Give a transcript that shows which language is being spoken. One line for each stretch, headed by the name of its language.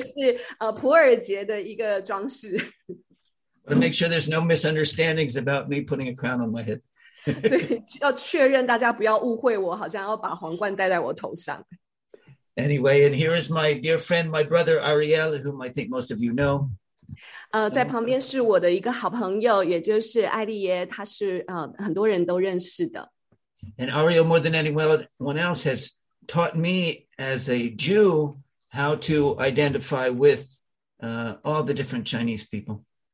Chinese: 我希望大家没有人要误会，这个是普尔节的一个装饰。
English: Want to make sure there's no misunderstandings about me putting a crown on my head.
Chinese: 对，要确认大家不要误会我，好像要把皇冠戴在我头上。
English: Anyway, and here is my dear friend, my brother Ariel, whom I think most of you know.
Chinese: 在旁边是我的一个好朋友，也就是艾利耶，他是很多人都认识的。
English: And Ariel, more than anyone else, has taught me as a Jew how to identify with all the different Chinese people.